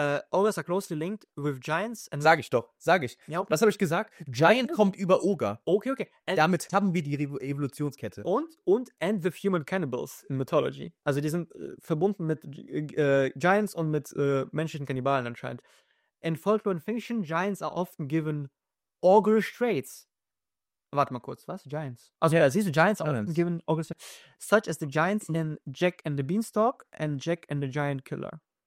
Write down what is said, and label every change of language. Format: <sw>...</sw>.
<en>Ogres are closely linked with giants. And</en> <de>sag ich doch. Sag ich. Ja. Was habe ich gesagt? Giant kommt über Ogre. Okay, okay.</de> <en>And</en> <de>damit haben wir die Evolutionskette.</de> <en>And with human cannibals in mythology.</en> <de>Also die sind verbunden mit Giants und mit menschlichen Kannibalen anscheinend.</de> <en>In folklore and fiction, giants are often given Ogre traits.</en> <de>Warte mal kurz, was? Giants. Also ja, siehst du, Giants auch</de> <en>given Ogre traits. Such as the Giants in Jack and the Beanstalk and Jack and the Giant Killer.</en>